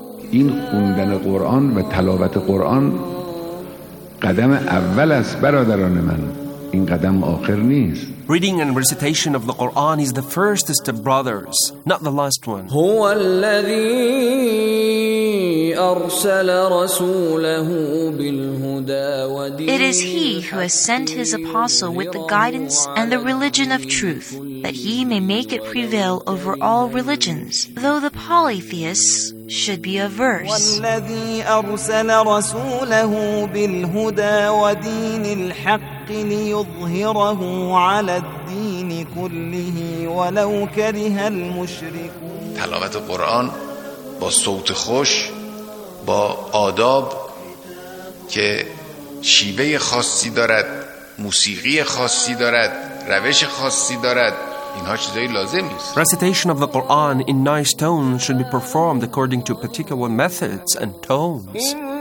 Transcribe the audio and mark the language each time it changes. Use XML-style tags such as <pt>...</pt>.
<fa>این خوندن قرآن و تلاوت قرآن قدم اول است برادران من این قدم آخر نیست.</fa> <en>Reading and recitation of the Quran is the first step, brothers, not the last one.</en> <ar>هو الذي ارسل رسوله بالهدى ودين.</ar> <en>It is he who has sent his apostle with the guidance and the religion of truth, that he may make it prevail over all religions, though the polytheists should be averse.</en> <ar>والذي ارسل رسوله بالهدى ودين الحق ليظهره على الدين كله ولو كره المشركون.</ar> <fa>تلاوت قرآن با صوت خوش، با آداب که شیوه خاصی دارد، موسیقی خاصی دارد، روش خاصی دارد، اینها چیزایی لازم است.</fa> <en>Recitation of the Quran in nice tones should be performed according to particular methods and tones.</en>